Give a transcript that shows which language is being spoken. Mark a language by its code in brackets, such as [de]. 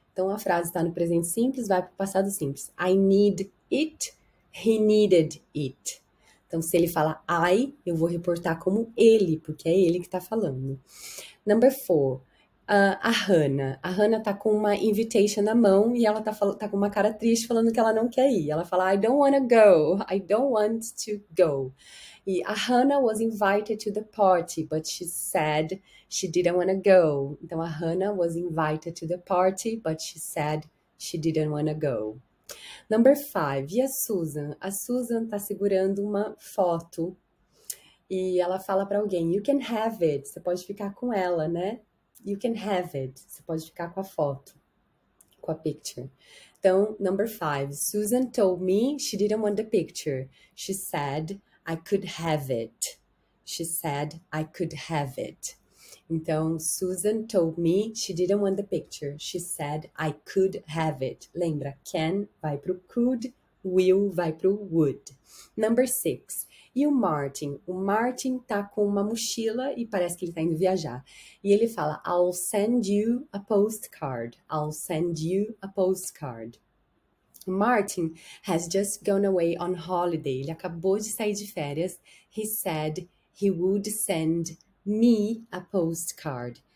[pt] Então, a frase está no presente simples, vai para o passado simples. [en] I need it, he needed it. [pt] Então, se ele fala I, eu vou reportar como ele, porque é ele que está falando. Number four, a Hannah. A Hannah está com uma invitation na mão e ela tá com uma cara triste falando que ela não quer ir. Ela fala, [en] I don't wanna go, I don't want to go. E a Hannah was invited to the party, but she said she didn't wanna go. [pt] Então, a [en] Hannah was invited to the party, but she said she didn't wanna go. Number five, [pt] e a Susan? A Susan está segurando uma foto e ela fala para alguém, [en] You can have it, [pt] você pode ficar com ela, né? [en] You can have it, [pt] você pode ficar com a foto, com a picture. [en] Então, number five, Susan told me she didn't want the picture. She said I could have it. She said I could have it. Então, Susan told me she didn't want the picture. She said I could have it. [pt] Lembra, [en] can [pt] vai para o [en] could, will vai para o would. Number six. [pt] E o [en] Martin? [pt] O Martin tá com uma mochila e parece que ele tá indo viajar. [en] E ele fala, I'll send you a postcard. I'll send you a postcard. Martin has just gone away on holiday. [pt] Ele acabou de sair de férias. [en] He said he would send me a postcard.